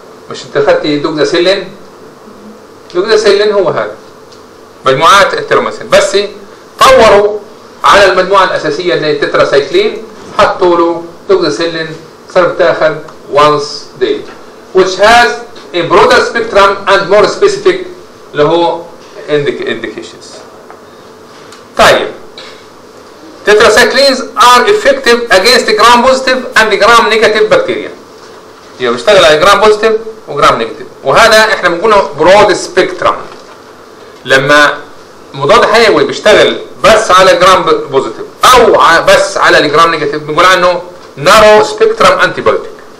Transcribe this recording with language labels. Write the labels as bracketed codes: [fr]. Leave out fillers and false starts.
[ar] مش انت خدتي دوكزا سيلين؟ دوكزا سيلين هو هذا مجموعات الترومسين، بس طوروا على المجموعة الأساسية اللي تترا سايكلين حطوا له دوكزا سيلين صار بتاخد وانس دي which has a broader spectrum and more specific اللي هو indications. [en] طيب tetracyclines are effective against gram positive and gram negative bacteria. [ar] هي بيشتغل على gram positive وgram negative، وهذا احنا بنقوله broad spectrum. لما مضاد حيوي بيشتغل بس على gram positive او بس على gram negative بنقول عنه narrow spectrum antibiotic.